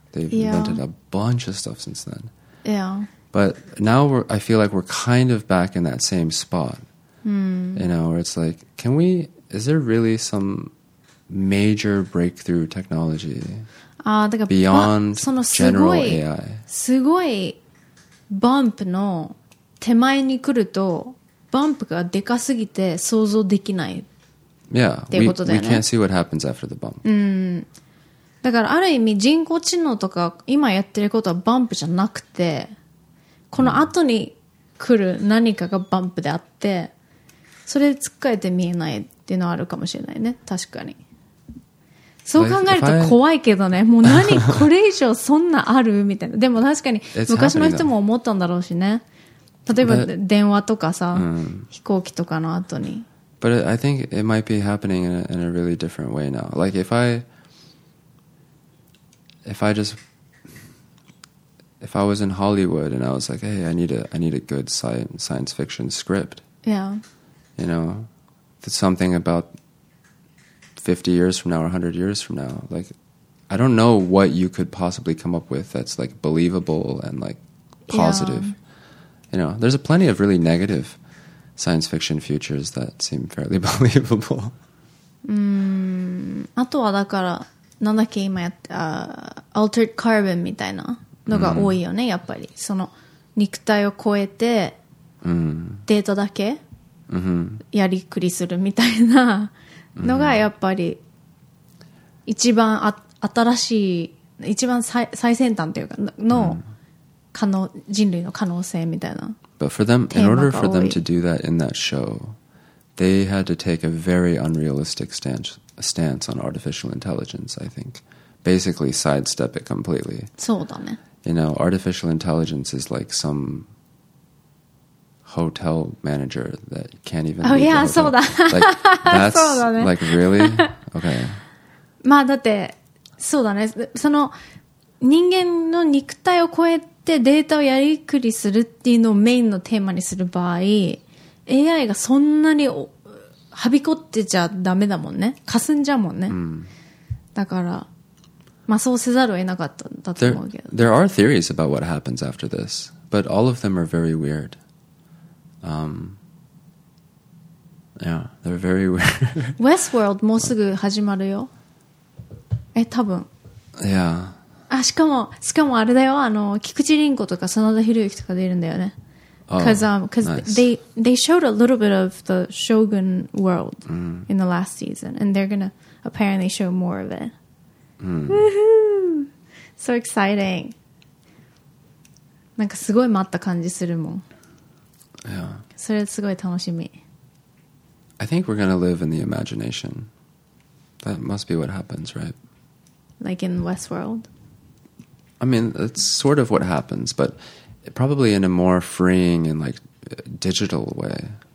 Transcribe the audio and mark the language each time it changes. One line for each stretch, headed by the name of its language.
English: They've invented a bunch of stuff since then. Yeah. But now I feel like we're kind of back in that same spot. You know, where it's like, is there really some major breakthrough technology beyond general AI?
Japanese: すごいバンプの手前に来るとバンプがでかすぎて想像できない。
English: Yeah, we can't see what happens after the bump.
Japanese: だからある意味人工知能とか今やってることはバンプじゃなくてこの後に来る何かがバンプであってそれ突っかえて見えないっていうのはあるかもしれないね確かにそう考えると怖いけどねもう何これ以上そんなあるみたいなでも確かに昔の人も思ったんだろうしね例えば電話とかさ飛行機とかの後に
English: But I think it might be happening in a really different way now. Like if I was in Hollywood and I was like, hey, I need a good science fiction script. Yeah. You know, that's something about 50 years from now or 100 years from now. Like, I don't know what you could possibly come up with that's like believable and like positive. Yeah. You know, there's plenty of really negative. Science fiction futures that seem fairly believable.
Japanese: あとはだからなんだっけ今やってaltered carbon みたいなのが多いよね、やっぱりその肉体を超えて、データだけやりくりするみたいなのがやっぱり一番新しい一番 最先端というかの可能、人類の可能性みたいな
English: But for them, in order for them to do that in that show, they had to take a very unrealistic stance on artificial intelligence, I think. Basically sidestep it completely.
Japanese: そうだね。
English: You know, artificial intelligence is like some hotel manager that can't even... Oh yeah,
Japanese: そうだ。
English: Like, that's
Japanese: そうだね。
English: Like, really? Okay.
Japanese: まあだって、そうだね。その人間の肉体を超えてでデータをやりくりするっていうのをメインのテーマにする場合 AI がそんなにはびこってちゃダメだもんね霞んじゃもんね、だからまあそうせざるを得なかったんだと思うけど
English: There are theories about what happens after this but all of them are very weird yeah they're very weird
Japanese: Westworld もうすぐ始まるよえ多分
English: yeah
Japanese: あ、しかもあれだよ、あの、菊池凛子とか真田広之とか出るんだよね。
English: They showed a little bit of the Shogun world in the last season, and they're gonna apparently show more of it. Woohoo! So exciting!
Japanese: なんかすごい待った感じするもん。
English: Yeah.
Japanese: それすごい楽しみ。
English: I think we're gonna live in the imagination. That must be what happens, right? Like in Westworld? I mean, that's sort of what happens, but probably in a more freeing and like digital way.